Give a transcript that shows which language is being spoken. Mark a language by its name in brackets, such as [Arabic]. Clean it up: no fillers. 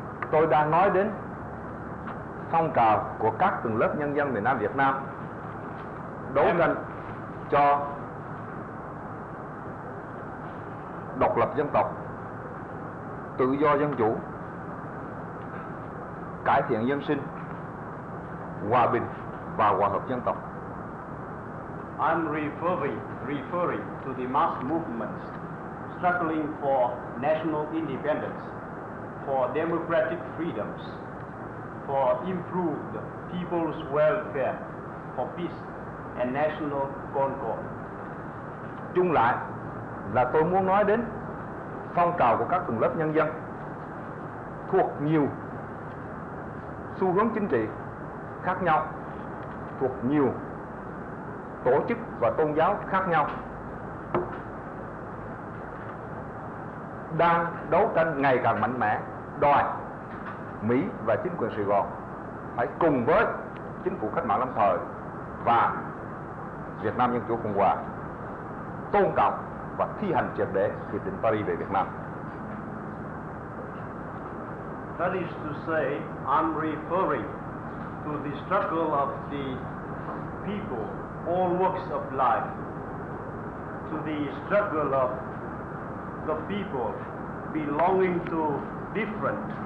[Vietnamese] Tôi đang nói đến phong trào của các tầng lớp nhân dân miền Nam Việt Nam đấu tranh cho độc lập dân tộc, tự do dân chủ, cải thiện dân sinh, hòa bình và hòa hợp dân tộc. [English] I'm referring to the mass movements struggling for national independence, for democratic freedoms, for improved people's welfare, for peace and national concord. [Vietnamese] Chung lại là tôi muốn nói đến phong trào của các tầng lớp nhân dân thuộc nhiều xu xu hướng chính trị khác nhau, thuộc nhiều tổ chức và tôn giáo khác nhau, đang đấu tranh ngày càng mạnh mẽ, đòi Mỹ và chính quyền Sài Gòn phải cùng với chính phủ cách mạng lâm thời và Việt Nam Dân Chủ Cộng Hòa tôn trọng và thi hành triệt để Hiệp định Paris về Việt Nam. [English] That is to say, I'm referring to the struggle of the people, all walks of life, to the struggle of the people belonging to different